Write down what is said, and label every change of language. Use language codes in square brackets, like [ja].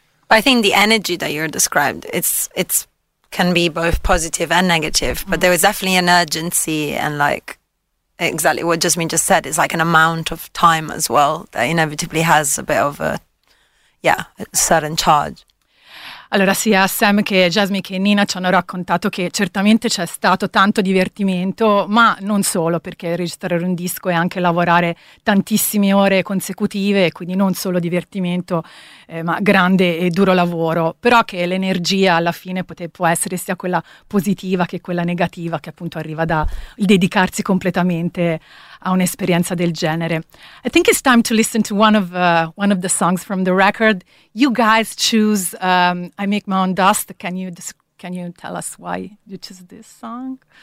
[en] I think the energy that you're described, it's can be both positive and negative, but there was definitely an urgency, and like exactly what Jasmine just said, it's like an amount of time as well that inevitably has a bit of a certain charge. [it] Allora, sia Sam che Jasmine che Nina ci hanno raccontato che certamente c'è stato tanto divertimento, ma non solo, perché registrare un disco è anche lavorare tantissime ore consecutive, quindi non solo divertimento, ma grande e duro lavoro. Però che l'energia alla fine può essere sia quella positiva che quella negativa, che appunto arriva da il dedicarsi completamente a un'esperienza del genere. [en] I think it's time to listen to one of the songs from the record. You guys choose I Make My Own Dust. Can you tell us why you choose this song?